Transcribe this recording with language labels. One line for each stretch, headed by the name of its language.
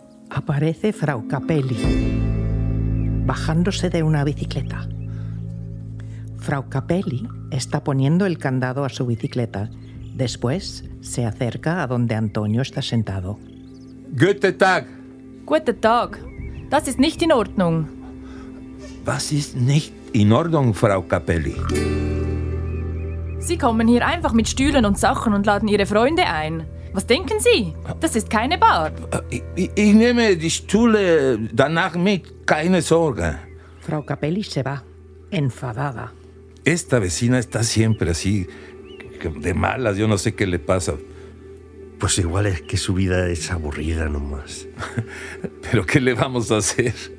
Spanish: Aparece Frau Capelli, bajándose de una bicicleta. Frau Capelli está poniendo el candado a su bicicleta. Después se acerca a donde Antonio está sentado.
German: Guten Tag. Guten Tag. Das ist nicht in Ordnung. Was ist nicht in Ordnung, Frau Capelli? Sie kommen hier einfach mit Stühlen und Sachen und laden Ihre Freunde ein. Was denken Sie? Das ist keine Bar. Ich nehme die Stühle danach mit. Keine Sorge.
Spanish: Frau Capelli se va, enfadada. Esta vecina está siempre así, de malas. Yo no sé qué le pasa. Pues igual es que su vida es aburrida nomás. ¿Pero qué le vamos a hacer?